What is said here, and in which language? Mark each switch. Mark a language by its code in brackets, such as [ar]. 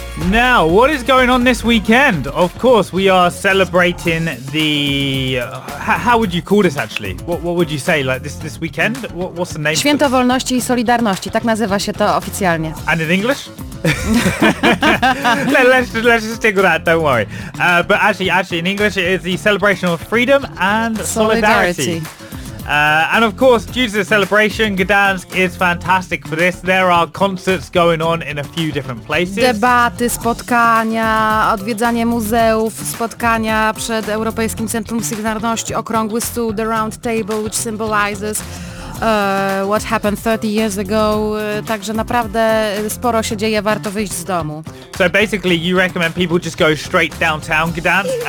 [en] Now, what is going on this weekend? Of course, we are celebrating the... how would you call this, actually? What would you say, like, this weekend? What's the name? [pl] Święto Wolności i Solidarności. Tak nazywa się to oficjalnie. [en] And in English? let's just stick with that, don't worry. But actually, in English, it is the celebration of freedom and solidarity. And of course, due to the celebration, Gdansk is fantastic for this. There are concerts going on in a few different places. [pl] Debaty, spotkania, odwiedzanie muzeów, spotkania przed Europejskim Centrum Solidarności, okrągły stół, [en] the round table, which symbolizes what happened 30 years ago. [pl] Także naprawdę sporo się dzieje, warto wyjść z domu. [en] So basically you recommend people just go straight downtown Gdansk?